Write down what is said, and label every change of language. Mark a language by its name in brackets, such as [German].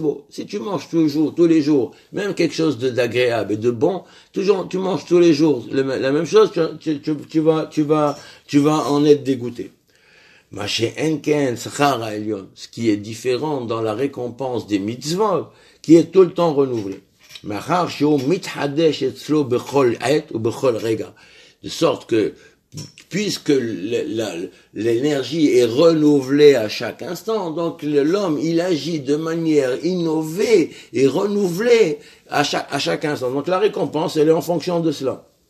[French] Si tu manges toujours, tous les jours, même quelque chose d'agréable et de bon, toujours, tu manges tous les jours la même chose, tu vas en être dégoûté. Ce qui est différent dans la récompense des mitzvot, qui est tout le temps renouvelé. [Hebrew] מאחר שהוא מתחדש אצלו בכל עת ובכל רגע. [French] De sorte que, puisque l'énergie est renouvelée à chaque instant, donc l'homme, il agit de manière innovée et renouvelée à chaque instant. Donc la récompense, elle est en fonction de cela.